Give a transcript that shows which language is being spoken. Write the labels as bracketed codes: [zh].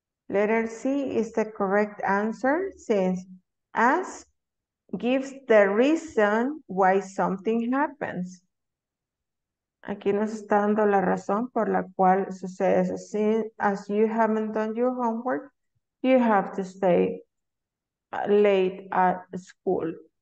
[en] Letter C is the correct answer since as gives the reason why something happens. [es] Aquí nos está dando la razón por la cual sucede eso. [en] Since as you haven't done your homework, you have to stay late at school.